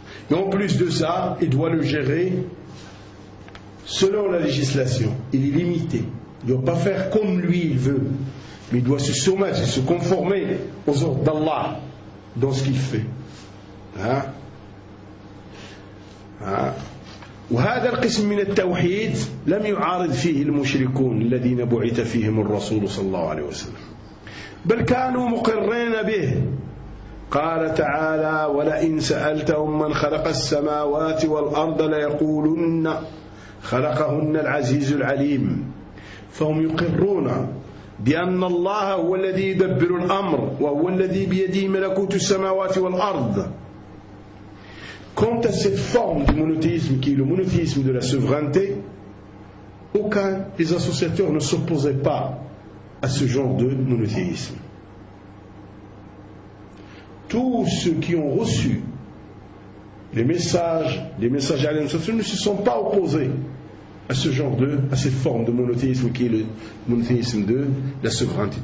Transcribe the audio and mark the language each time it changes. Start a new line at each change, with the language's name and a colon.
French: Et en plus de ça, il doit le gérer selon la législation. Il est limité. Il ne doit pas faire comme lui il veut. Mais il doit se soumettre et se conformer aux ordres d'Allah dans ce qu'il fait. Hein? Hein?
Arabic: وهذا القسم من التوحيد لم يعارض فيه المشركون الذين بعث فيهم الرسول صلى الله عليه وسلم بل كانوا مقرين به قال تعالى ولئن سألتهم من خلق السماوات والأرض ليقولن خلقهن العزيز العليم فهم يقرون بأن الله هو الذي يدبر الأمر وهو الذي بيده ملكوت السماوات والأرض.
French: Quant à cette forme du monothéisme qui est le monothéisme de la souveraineté, aucun des associateurs ne s'opposait pas à ce genre de monothéisme. Tous ceux qui ont reçu les messages à l'Ensemble ne se sont pas opposés à ce genre de, à cette forme de monothéisme qui est le monothéisme de la souveraineté.